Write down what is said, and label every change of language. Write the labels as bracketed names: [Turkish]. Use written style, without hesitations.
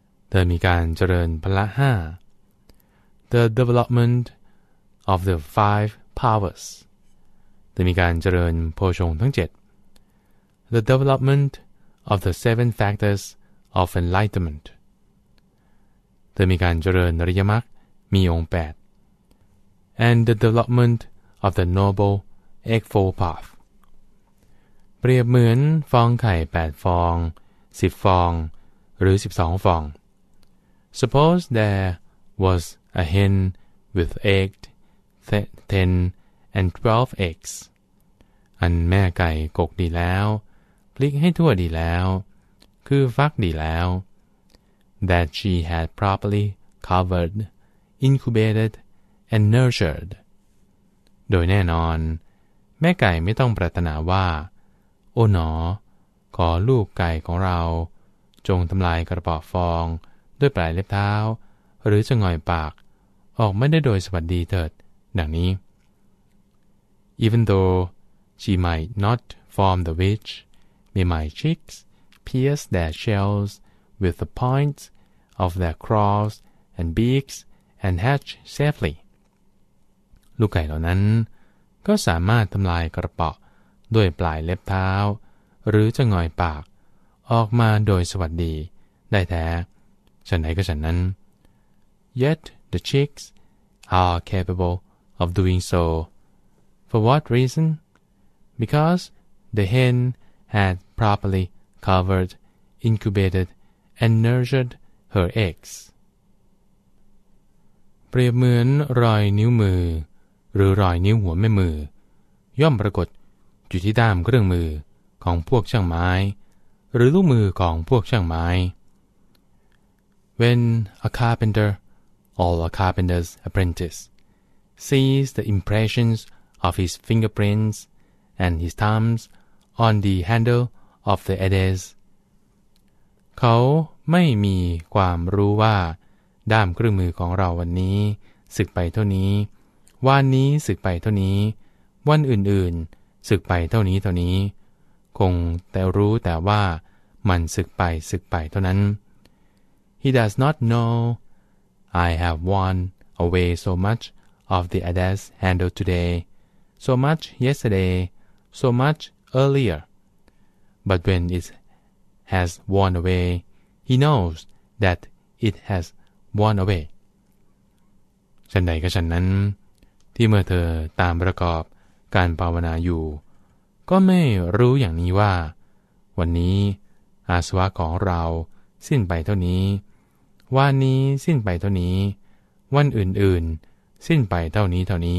[Thai] เธอมีการเจริญพละ 5. [English] The development of the five powers. [Thai] เธอมีการเจริญโพชฌงค์ทั้ง 7. [English] The development of the seven factors of enlightenment. [Thai] เธอมีการเจริญอริยมรรคมีองค์ 8. [English] And the development of the noble eightfold path. [Thai] เปรียบเหมือนฟองไข่ 8 ฟอง 10 ฟองหรือ 12 ฟอง [English] Suppose there wasa hen with 8, 10, and 12 eggs. [Thai] อันแม่ไก่กกดีแล้วพลิกให้ทั่วดีแล้วคือฟักดีแล้ว [English] that she had properly covered, incubated, and nurtured. [Thai] โดยแน่นอนแม่ไก่ไม่ต้องปรารถนาว่าโอ้หนอขอลูกไก่ของเราจงทำลายกระป๋อฟองด้วยปลายเล็บเท้าหรือจะง่อยปากออกไม่ได้โดยสวัสดีเถิดดังนี้ [English] Even though she might not form the witch, may my chicks pierce their shells with the points of their claws and beaks and hatch safely. [Thai] ลูกไก่เหล่านั้นก็สามารถทำลายกระเปาะด้วยปลายเล็บเท้าหรือจะง่อยปากออกมาโดยสวัสดีได้แท้ฉันไหนก็ฉันนั้น [English] Yet the chicks are capable of doing so. For what reason? Because the hen had properly covered, incubated, and nurtured her eggs. [Thai] เปรียบเหมือนรอยนิ้วมือหรือรอยนิ้วหัวแม่มือย่อมปรากฏอยู่ที่ด้ามเครื่องมือของพวกช่างไม้หรือลูกมือของพวกช่างไม้ [English] When a carpenter or a carpenter's apprentice sees the impressions of his fingerprints and his thumbs on the handle of the adze. [Thai] เขาไม่มีความรู้ว่าด้ามเครื่องมือของเราวันนี้สึกไปเท่านี้วันนี้สึกไปเท่านี้วันอื่นๆสึกไปเท่านี้เท่านี้คงแต่รู้แต่ว่ามันสึกไปสึกไปเท่านั้น [English] He does not knowI have worn away so much of the adze handle today, so much yesterday, so much earlier. But when it has worn away, he knows that it has worn away. [Thai] ฉันใดก็ฉันนั้นที่เมื่อเธอตามประกอบการภาวนาอยู่ก็ไม่รู้อย่างนี้ว่าวันนี้อาสวะของเราสิ้นไปเท่านี้วันนี้สิ้นไปเท่านี้วันอื่นๆสิ้นไปเท่านี้เท่านี